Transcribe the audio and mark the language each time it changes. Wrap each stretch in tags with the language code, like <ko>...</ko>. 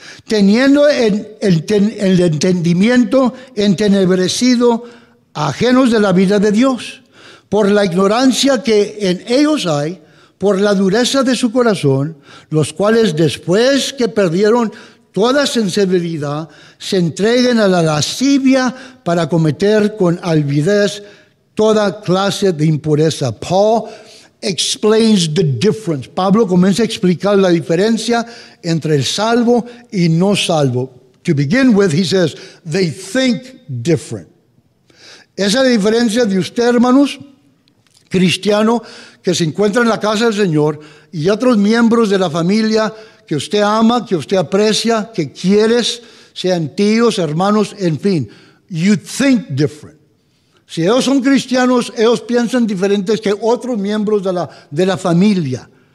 <es>teniendo el entendimiento entenebrecido, ajenos de la vida de Dios, por la ignorancia que en ellos hay, por la dureza de su corazón, los cuales después que perdieron toda sensibilidad, se entreguen a la lascivia para cometer con avidez toda clase de impureza.</es> <en>Paul explains the difference.</en> <es>Pablo comienza a explicar la diferencia entre el salvo y no salvo.</es> <en>To begin with, he says, they think different.</en> <es>Esa diferencia de usted, hermanos, cristiano, que se encuentra en la casa del Señor, y otros miembros de la familia que usted ama, que usted aprecia, que quieres, sean tíos, hermanos, en fin.</es> <en>You think different.</en> <es>Si ellos son cristianos, ellos piensan diferentes que otros miembros de la familia.</es>